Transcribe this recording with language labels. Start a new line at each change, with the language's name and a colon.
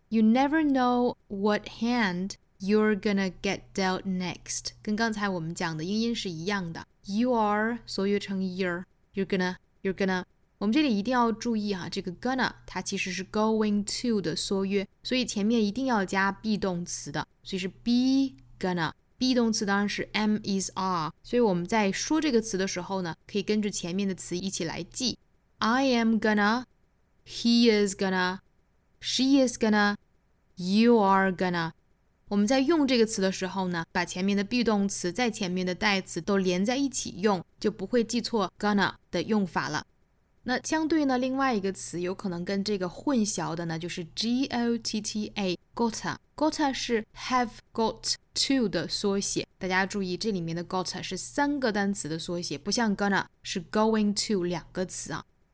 English: You never know what hand you're gonna get dealt next.
Chinese: 跟刚才我们讲的英音是一样的。
English: You are 缩约成 you're. You're gonna.
Chinese: 我们这里一定要注意哈，这个 gonna 它其实是 going to 的缩约，所以前面一定要加 be 动词的，所以是 be gonna。 be 动词当然是 am is are。所以我们在说这个词的时候呢，可以跟着前面的词一起来记。
English: I am gonna. He is gonna, she is gonna, you are gonna。
Chinese: 我们在用这个词的时候呢，把前面的 be 动词在前面的代词都连在一起用，就不会记错 gonna 的用法了。那相对呢，另外一个词有可能跟这个混淆的呢，就是 gotta, gotta。 gotta 是 have got to 的缩写，大家注意这里面的 gotta 是三个单词的缩写，不像 gonna 是 going to 两个词啊。